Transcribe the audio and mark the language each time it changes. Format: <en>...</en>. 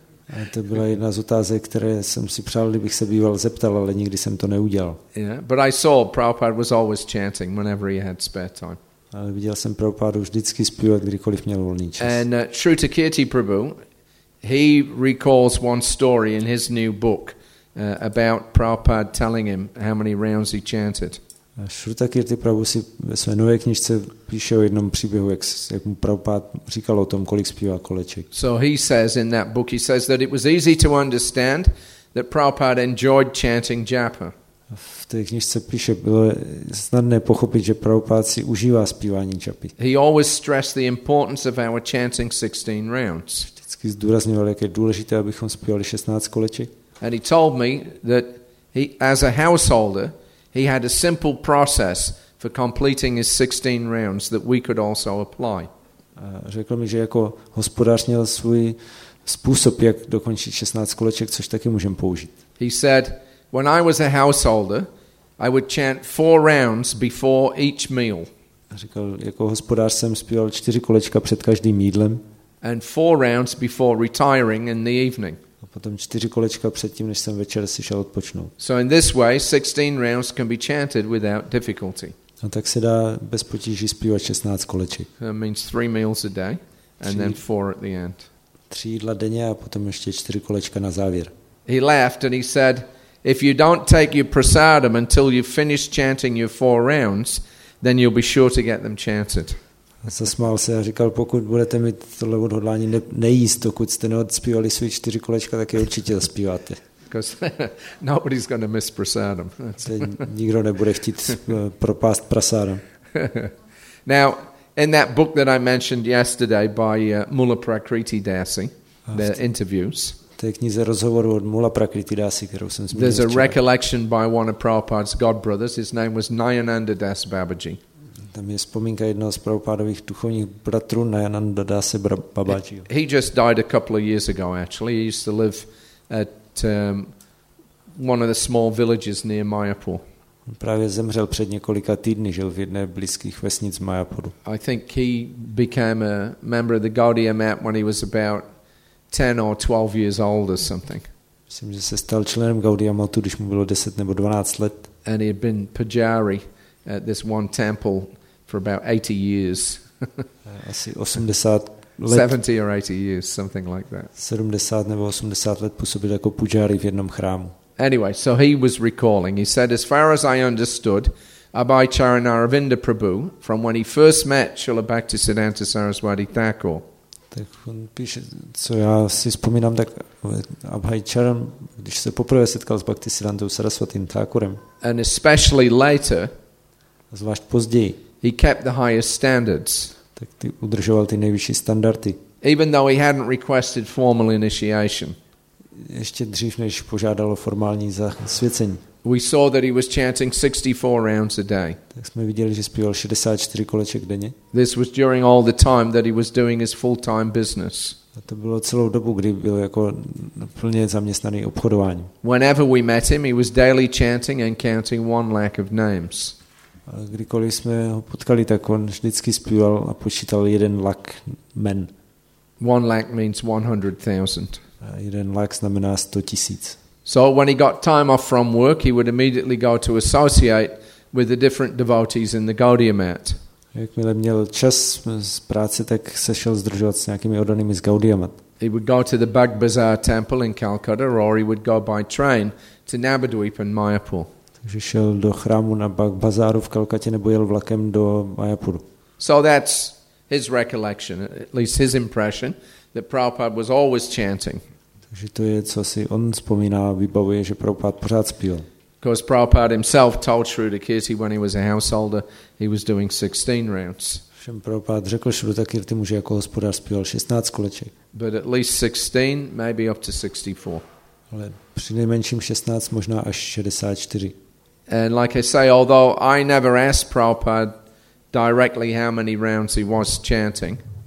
<cs>A to byla jedna z otázek, které jsem si přál, kdybych se býval zeptal, ale nikdy jsem to neudělal.</cs> <en>Yeah, but I saw Prabhupada was always chanting whenever he had spare time.</en> <cs>Ale viděl jsem Prabhupada vždycky zpívat, kdykoliv měl volný čas.</cs> <en>And Shruta Kirti Prabhu, he recalls one story in his new book about Prabhupada telling him how many rounds he chanted.</en> <cs>A Shruta Kirti Prabhu si ve své nové knižce píše o jednom příběhu, jak mu Prabhupada říkal o tom, kolik zpívá koleček.</cs> <en>So he says in that book, he says that it was easy to understand that Prabhupada enjoyed chanting japa.</en> <cs>V té knižce píše, bylo snadné pochopit, že Prabhupada si užívá zpívání japy.</cs> <en>He always stressed the importance of our chanting 16 rounds.</en> <cs>Vždycky zdůrazňoval, jak je důležité, abychom zpívali 16 koleček.</cs> <en>And he told me that he, as a householder, he had a simple process for completing his 16 rounds that we could also apply.</en> <cs>Řekl mi, že jako hospodář měl svůj způsob, jak dokončit 16 koleček, což taky můžeme použít.</cs> <en>He said, when I was a householder, I would chant 4 rounds before each meal.</en> <cs>Řekl, jako hospodář jsem zpíval 4 kolečka před každým jídlem.</cs> <en>And 4 rounds before retiring in the evening.</en> <cs>A potom 4 kolečka předtím, než jsem večer si šel odpočnout.</cs> <en>So in this way 16 rounds can be chanted without difficulty.</en> <cs>A tak se dá bez potíží zpívat 16 koleček.</cs> <en>That means 3 meals a day and then 4 at the end.</en> <cs>3 jídla denně a potom ještě 4 kolečka na závěr.</cs> <en>He laughed and he said, if you don't take your prasadam until you finish chanting your 4 rounds, then you'll be sure to get them chanted.</en> <cs>A zasmál se a říkal, pokud budete mít tohle odhodlání nejíst, dokud jste neodspívali svý 4 kolečka, tak je určitě zaspíváte.</cs> <en>Nobody's gonna miss prasadam.</en> <cs>Nikdo nebude chtít propást prasadam.</cs> <en>Now, in that book that I mentioned yesterday by Mula Prakriti Dasi, the interviews.</en> <cs>V té knize rozhovoru od Mula Prakriti Dasi, kterou jsem zmínil.</cs> <en>There's a recollection by one of Prabhupada's godbrothers. His name was Nayananda Das Babaji.</en> <cs>Tam je vzpomínka jednoho z Prabhupádových duchovních bratrů Nayananda Dasa Babajiho.</cs> <en>He just died a couple of years ago actually. He used to live at one of the small villages near Mayapur.</en> <cs>Právě zemřel před několika týdny, žil v jedné blízkých vesnic Mayapuru.</cs> <en>I think he became a member of the Gaudiya Mat when he was about 10 or 12 years old or something.</en> <cs>Myslím, že se stal členem Gaudiya Matu, když mu bylo 10 nebo 12 let.</cs> <en>And he had been pujari at this one temple for about 80 years.</en> <cs>Asi 80 let.</cs> <en>70 or 80 years, something like that.</en> <cs>70 nebo 80 let působil jako pujari v jednom chrámu.</cs> <en>Anyway, so he was recalling. He said, as far as I understood, Abhay Charanaravinda Prabhu, from when he first met Srila Bhaktisiddhanta Saraswati Thakur.</en> <cs>Tak on píše, co já si vzpomínám, tak Abhay Charan, když se poprvé setkal s Bhaktisiddhantou Saraswati Thakurem.</cs> <en>And especially later,</en> <cs>zvlášť později.</cs> <en>He kept the highest standards.</en> <cs>Tak ty udržoval ty nejvyšší standardy.</cs> <en>Even though he hadn't requested formal initiation.</en> <cs>ještě dřív, než požádal o formální zasvěcení.</cs> <en>We saw that he was chanting 64 rounds a day.</en> <cs>Tak jsme viděli, že zpíval 64 koleček denně.</cs> <en>This was during all the time that he was doing his full-time business.</en> <cs>A to bylo celou dobu, kdy byl jako plně zaměstnaný obchodováním.</cs> <en>Whenever we met him, he was daily chanting and counting one lakh of names.</en> <cs>A kdykoliv jsme ho potkali, tak on vždycky zpíval a počítal jeden lakh men.</cs> <en>One lakh means 100,000.</en> <cs>A jeden lakh znamená 100,000.</cs> <en>So when he got time off from work, he would immediately go to associate with the different devotees in the Gaudiya Mat.</en> <cs>Jakmile měl čas z práce, tak se šel sdružovat s nějakými oddanými z Gaudiya Mat.</cs> <en>He would go to the Bagh Bazar temple in Calcutta, or he would go by train to Nabadweep in Mayapur.</en> <cs>Takže šel do chrámu na Bagh Bazaru v Kalkatě nebo jel vlakem do Mayapuru.</cs> <en>So that's his recollection, at least his impression, that Prabhupada was always chanting.</en> <cs>Že to je, co si on vzpomíná, vybavuje, že Prabhupada pořád spíl.</cs> <en>Because Prabhupada himself told Shrutakirti when he was a householder, he was doing 16 rounds.</en> <cs>Všem Prabhupada řekl Shrutakirti, že jako hospodář spíl 16 koleček.</cs> <en>But at least 16, maybe up to 64.</en> <cs>Ale přinejmenším 16, možná až 64.</cs> <en>And like I say, although I never asked Prabhupada directly how many rounds he was chanting.</en>